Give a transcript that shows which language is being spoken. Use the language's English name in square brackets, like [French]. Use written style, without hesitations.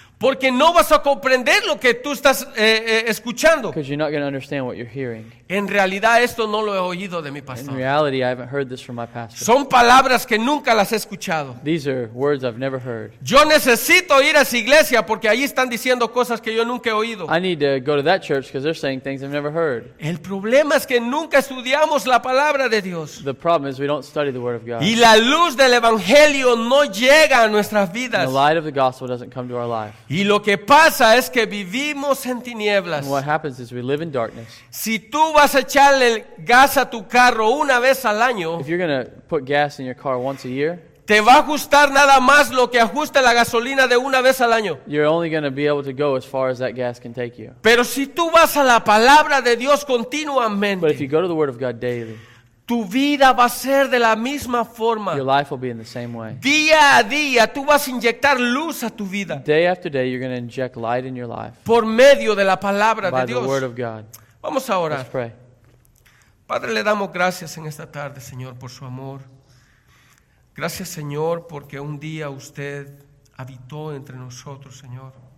[Spanish] Porque no vas a comprender lo que tú estás escuchando. [English] Because you're not going to understand what you're hearing. [Spanish] En realidad esto no lo he oído de mi pastor. [English] In reality, I haven't heard this from my pastor. [Spanish] Son palabras que nunca las he escuchado. [English] These are words I've never heard. [Spanish] Yo necesito ir a esa iglesia porque ahí están diciendo cosas que yo nunca he oído. [English] I need to go to that church because they're saying things I've never heard. [Spanish] El problema es que nunca estudiamos la palabra de Dios. [English] The problem is we don't study the word of God. [Spanish] Y la luz del evangelio no llega a nuestras vidas. [English] And the light of the gospel doesn't come to our life. [Spanish] Y lo que pasa es que vivimos en tinieblas. [English] And what happens is we live in darkness. [Spanish] Si tú vas a echarle gas a tu carro una vez al año, [English] if you're gonna put gas in your car once a year, [Spanish] te va a ajustar nada más lo que ajusta la gasolina de una vez al año. [English] You're only gonna be able to go as far as that gas can take you. [Spanish] Pero si tú vas a la palabra de Dios continuamente, [English] but if you go to the word of God daily, [Spanish] tu vida va a ser de la misma forma. [English] Your life will be in the same way. [Spanish] Día a día, tú vas a inyectar luz a tu vida. [English] Day after day, you're going to inject light in your life. [Spanish] Por medio de la palabra de Dios. [English] By the word of God. [Spanish] Vamos a orar. [English] Let's pray. [Spanish] Padre, le damos gracias en esta tarde, Señor, por su amor. Gracias, Señor, porque un día usted habitó entre nosotros, Señor.